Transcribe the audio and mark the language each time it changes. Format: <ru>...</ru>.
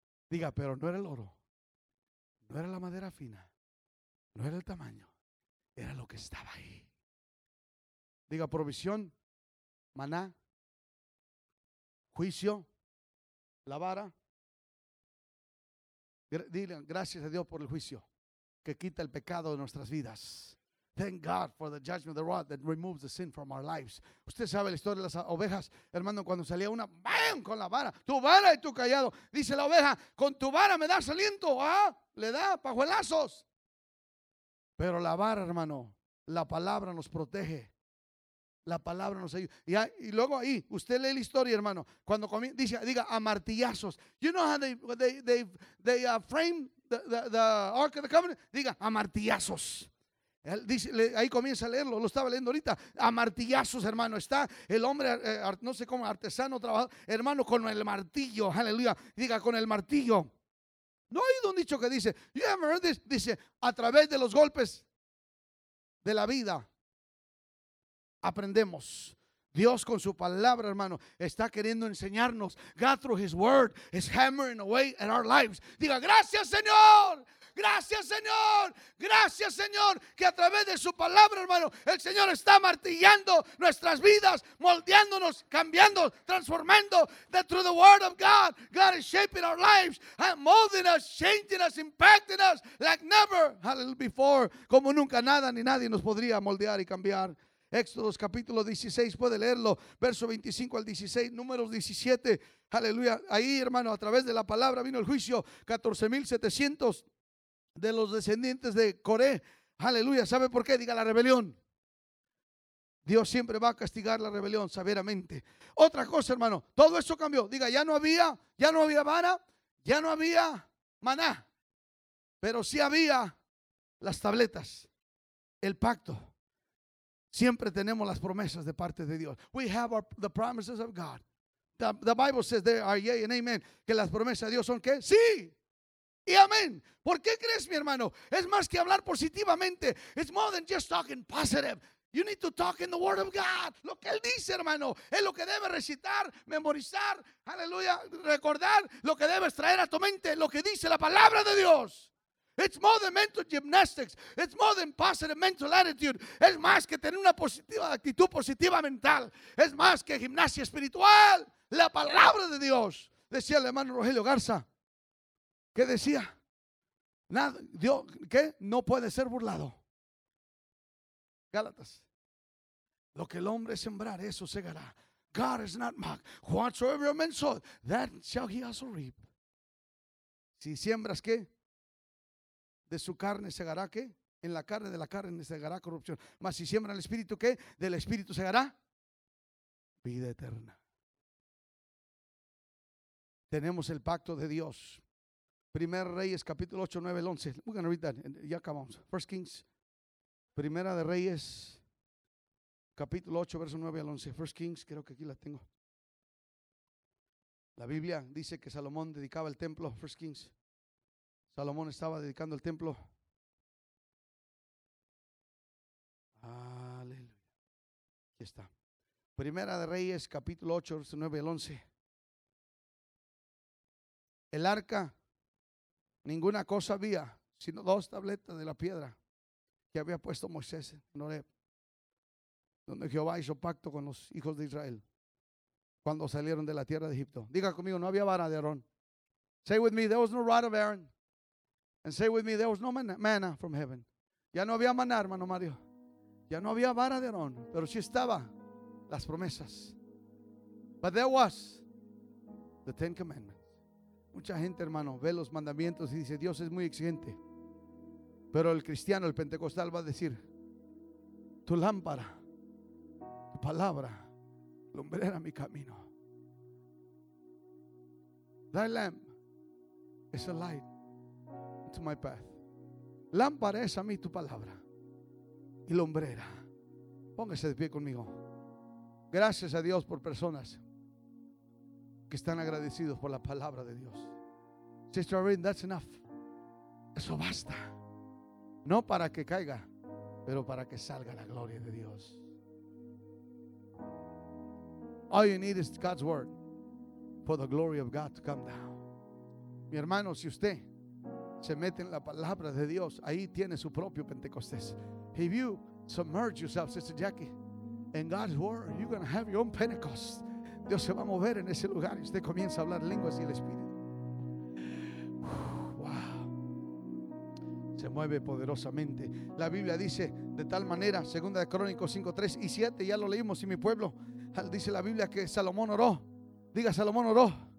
<es>Diga, pero no era el oro, no era la madera fina, no era el tamaño, era lo que estaba ahí. Diga, provisión, maná, juicio, la vara. Dile, gracias a Dios por el juicio que quita el pecado de nuestras vidas.</es> <en>Thank God for the judgment of the rod that removes the sin from our lives.</en> <es>Usted sabe la historia de las ovejas, hermano, cuando salía una, ¡bam! Con la vara, tu vara y tu cayado. Dice la oveja, con tu vara me das aliento, ¿ah? Le da pajuelazos. Pero la vara, hermano, la palabra nos protege La palabra nos ayuda. Y luego ahí, usted lee la historia, hermano. Cuando comienza, dice, diga, a martillazos.</es> <en>You know how they frame the Ark of the Covenant?</en> <es>Diga, a martillazos. Ahí comienza a leerlo, lo estaba leyendo ahorita. A martillazos, hermano, está el hombre, no sé cómo, artesano, trabajador, hermano, con el martillo, aleluya. Diga, con el martillo. ¿No ha oído un dicho que dice,</es> <en>you haven't heard this?</en> <es>Dice, a través de los golpes de la vida, aprendemos. Dios con su palabra, hermano, está queriendo enseñarnos.</es> <en>God through his word is hammering away at our lives.</en> <es>Diga, gracias, Señor. Gracias, Señor. Gracias, Señor, que a través de su palabra, hermano, el Señor está martillando nuestras vidas, moldeándonos, cambiando, transformando.</es> <en>That through the word of God, God is shaping our lives, molding us, changing us, impacting us like never before.</en> <es>Como nunca nada ni nadie nos podría moldear y cambiar. Éxodo capítulo 16, puede leerlo, verso 25 al 16, números 17, aleluya. Ahí, hermano, a través de la palabra vino el juicio, 14,700 de los descendientes de Coré, aleluya. ¿Sabe por qué? Diga, la rebelión. Dios siempre va a castigar la rebelión severamente. Otra cosa, hermano, todo eso cambió. Diga, ya no había vara, ya no había maná, pero sí había las tabletas, el pacto. Siempre tenemos las promesas de parte de Dios.</es> <en>We have the promises of God. The Bible says there are yea and amen.</en> <es>Que las promesas de Dios son ¿qué? Sí. Y amén. ¿Por qué crees, mi hermano? Es más que hablar positivamente.</es> <en>It's more than just talking positive. You need to talk in the word of God.</en> <es>Lo que Él dice, hermano, es lo que debe recitar, memorizar, aleluya, recordar, lo que debes traer a tu mente, lo que dice la palabra de Dios.</es> <en>It's more than mental gymnastics. It's more than positive mental attitude.</en> <es>Es más que tener una positiva actitud positiva mental. Es más que gimnasia espiritual. La palabra de Dios. Decía el hermano Rogelio Garza. ¿Qué decía? Nada, Dios, ¿qué? No puede ser burlado. Gálatas. Lo que el hombre sembrar, eso segará.</es> <en>God is not mocked. Whatsoever a man sowed, that shall he also reap.</en> <es>Si siembras, ¿qué? De su carne segará, ¿qué? En la carne, de la carne segará corrupción. Mas si siembra el Espíritu, ¿qué? Del Espíritu segará vida eterna. Tenemos el pacto de Dios. Primera Reyes, capítulo 8, 9, 11.</es> <en>We're going to read that.</en> <es>Ya acabamos. First Kings. Primera de Reyes, capítulo 8, verso 9 al 11. First Kings, creo que aquí la tengo. La Biblia dice que Salomón dedicaba el templo. First Kings. Salomón estaba dedicando el templo. Aleluya. Aquí está. Primera de Reyes, capítulo 8, verso 9 al 11. El arca, ninguna cosa había, sino dos tabletas de la piedra que había puesto Moisés en Horeb, donde Jehová hizo pacto con los hijos de Israel cuando salieron de la tierra de Egipto. Diga conmigo, no había vara de Aarón.</es> <en>Say with me, there was no rod of Aaron. And say with me, there was no manna from heaven.</en> <es>Ya no había maná, hermano Mario. Ya no había vara de Aarón, pero sí estaba las promesas.</es> <en>But there was the Ten Commandments.</en> <es>Mucha gente, hermano, ve los mandamientos y dice, Dios es muy exigente. Pero el cristiano, el pentecostal, va a decir, tu lámpara, tu palabra, lumbrera mi camino.</es> <en>Thy lamp is a light to my path.</en> <es>Lámpara es a mí tu palabra y lumbrera. Póngase de pie conmigo. Gracias a Dios por personas que están agradecidos por la palabra de Dios.</es> <en>Sister Irene, that's enough.</en> <es>Eso basta. No para que caiga, pero para que salga la gloria de Dios.</es> <en>All you need is God's word for the glory of God to come down.</en> <es>Mi hermano, si usted se mete en la palabra de Dios, ahí tiene su propio Pentecostés.</es> <en>If you submerge yourself, Sister Jackie, in God's word, you're going to have your own Pentecost.</en> <es>Dios se va a mover en ese lugar y usted comienza a hablar lenguas y el Espíritu. Wow. Se mueve poderosamente. La Biblia dice de tal manera, Segunda de Crónicos 5, 3 y 7, ya lo leímos, y mi pueblo, dice la Biblia que Salomón oró. Diga, Salomón oró.</es>